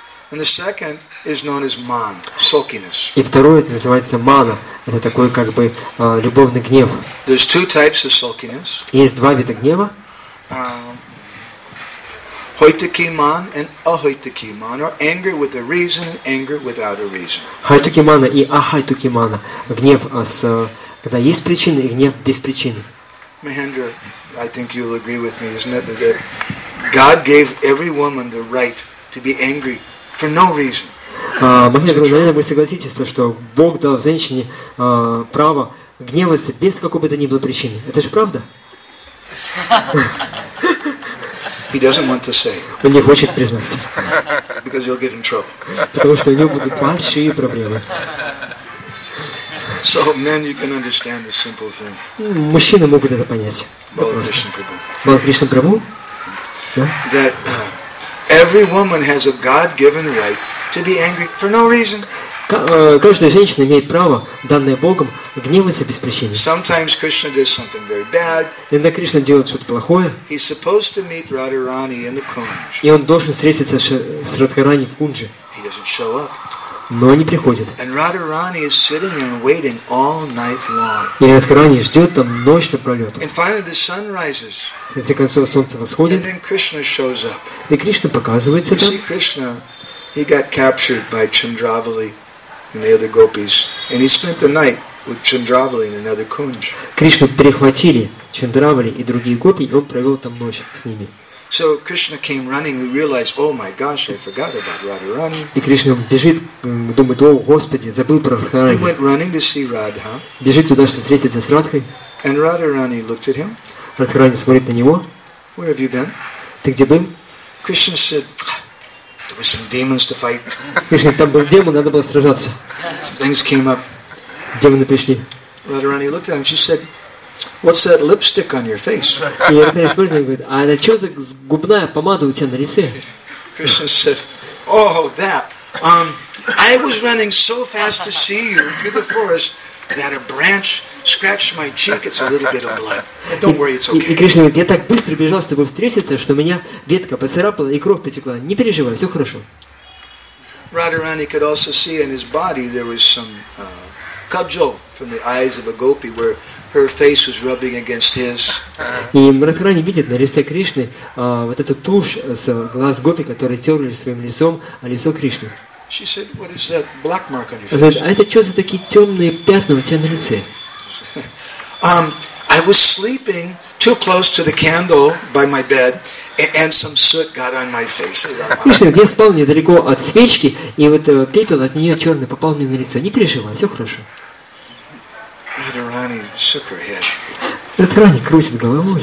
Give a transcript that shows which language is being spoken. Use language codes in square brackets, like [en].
[en] And the second is known as man, sulkiness. [ru] И второе это называется мана. Это такой как бы любовный гнев. [en] There's two types of sulkiness. [ru] Есть два вида гнева. [en] Hoitaki man and ahoitaki man, or anger with a reason, anger without a reason. [ru] Hoitaki mana и ahoitaki mana. Гнев с когда есть причина и гнев без причины. [en] Mahendra, I think you'll agree with me, isn't it, that God gave every woman the right to be angry. For no reason. [ru] Махендра, наверное, вы согласитесь, что Бог дал женщине право гневаться без какой бы то ни было причины. Это же правда? [en] He doesn't want to say. [ru] Он не хочет признаться. [en] Because he'll get in trouble. [ru] Потому что у него будут большие проблемы. [en] So men, you can understand the simple thing. [ru] Мужчины могут это понять. Балакришна Прабху. [en] That. Every woman has a God-given right to be angry for no reason. [ru] Каждая женщина имеет право, данное Богом, гневаться без причины. [en] Sometimes Krishna does something very bad. [ru] Иногда Кришна делает что-то плохое. [en] He's supposed to meet Radharani in the Kunj. [ru] И он должен встретиться с Радхарани в Кунже. [en] He doesn't show up. [ru] Но он не приходит. [en] And Radharani is sitting and waiting all night long. [ru] И Радхарани ждет там ночь напролет. [en] And finally the sun rises. [ru] В конце концов, солнце восходит. И Кришна показывается там. [en] See, Krishna, he got captured by Chandravali and the other gopis, and he spent the night with Chandravali in another kunj. [ru] Кришну перехватили Чандравали и другие гопи, и он провел там ночь с ними. [en] So Krishna came running, he realized, oh my gosh, I forgot about Radharani. [ru] И Кришна бежит, думает, о Господи, забыл про Радхарани. [en] He went running to see Radha. [ru] Бежит туда, чтобы встретиться с Радхой. [en] And Radharani looked at him. [ru] Радхарани смотрит на него. [en] Where have you been? [ru] Ты где был? [en] Krishna said, there were some demons to fight. [ru] Кришна, там был демон, надо было сражаться. [en] Some things came up. [ru] Демоны пришли. [en] Radharani looked at him, she said, what's that lipstick on your face? [ru] И Радхарани смотрит на него и говорит, а что за губная помада у тебя на лице? [en] Krishna said, oh, that. I was running so fast to see you through the forest that a branch scratched my cheek. It's a little bit of blood. Don't worry, it's okay. [ru] И Кришна говорит, я так быстро бежал с тобой встретиться, что меня ветка поцарапала и кровь потекла. Не переживай, все хорошо. [en] Radharani could also see in his body there was some kajal from the eyes of a gopi where her face was rubbing against his. [ru] И Радхарани видит на лице Кришны вот эту тушь с глаз гопи, которые терли своим лицом о лицо Кришны. [en] She said, "What is that black mark on your face?" [ru] Она говорит, а это что за такие темные пятна у тебя на лице? [en] I was sleeping too close to the candle by my bed, and some soot got on my face. [ru] Кришна, я спал недалеко от свечки, и вот пепел от нее черный попал мне на лицо. Не переживай, все хорошо. [en] Radharani shook her head. [ru] Радхарани крутит головой.